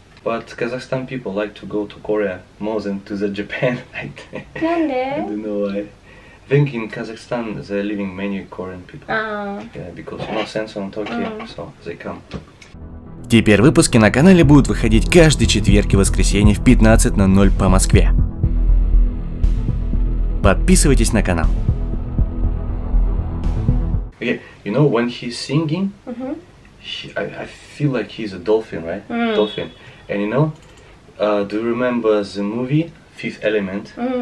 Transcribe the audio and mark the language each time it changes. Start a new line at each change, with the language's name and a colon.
English: But Kazakhstan people like to go to Korea more than to the Japan. I don't know why. I think in Kazakhstan they're living many Korean people. Yeah, because no sense on Tokyo, so they come.
Russian: Теперь выпуски на канале будут выходить каждый четверг и воскресенье в 15:00 по Москве. Подписывайтесь на канал.
English: You know, when he's singing, I feel like he's a dolphin, right? Dolphin. And you know, do you remember the movie Fifth Element?